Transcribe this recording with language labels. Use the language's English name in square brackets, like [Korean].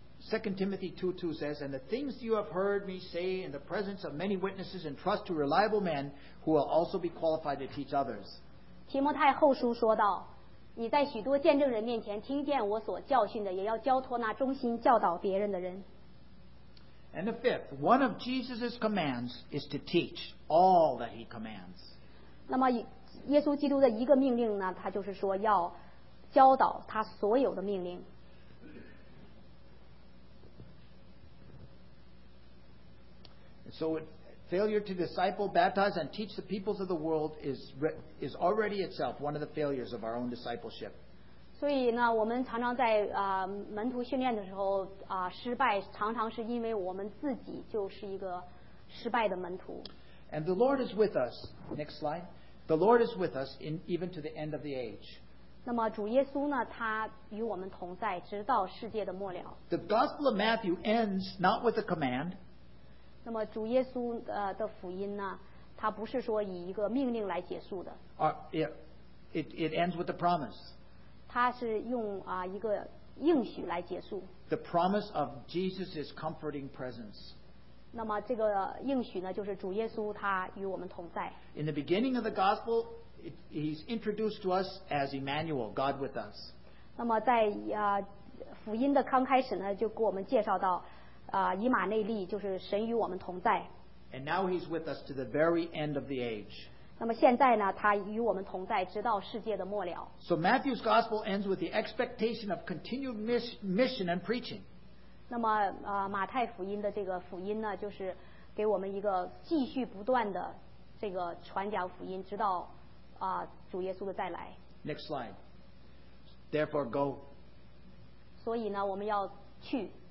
[English] 2 Timothy 2:2 says, "And the things you have heard me say in the presence of many witnesses, entrust to reliable men who will also be qualified to teach others." [Chinese] 提摩太后书说道。你在许多见证人面前听见我所教训的，也要交托那忠心教导别人的人。 [English] And the fifth, one of Jesus's commands is to teach all that he commands. [Chinese] 那么耶稣基督的一个命令呢，他就是说要教导他所有的命令。 [English] So failure to disciple, baptize, and teach the peoples of the world is already itself one of the failures of our own discipleship. [Chinese] 所以呢，我们常常在门徒训练的时候失败，常常是因为我们自己就是一个失败的门徒。 [English] And the Lord is with us. Next slide. The Lord is with us in even to the end of the age. [Chinese] 那么主耶稣呢，他与我们同在，直到世界的末了。 [English] The Gospel of Matthew ends not with a command. [Chinese] 那么主耶稣的福音呢，它不是说以一个命令来结束的。 [English] It ends with a promise. [Chinese] 它是用一个应许来结束。 [English] The promise of Jesus's comforting presence. [Chinese] 那么这个应许呢，就是主耶稣他与我们同在。 [English] In the beginning of the gospel, he's introduced to us as Emmanuel, God with us. [Chinese] 那么在福音的刚开始呢，就给我们介绍到。以马内利就是神与我们同在。 [English] And now he's with us to the very end of the age. [Chinese] 那么现在呢，他与我们同在，直到世界的末了。 [English] So Matthew's gospel ends with the expectation of continued mission and preaching. [Chinese] 那么马太福音的这个福音呢，就是给我们一个继续不断的这个传讲福音，直到主耶稣的再来。 [English] Next slide. Therefore go. [Chinese] 所以呢，我们要去。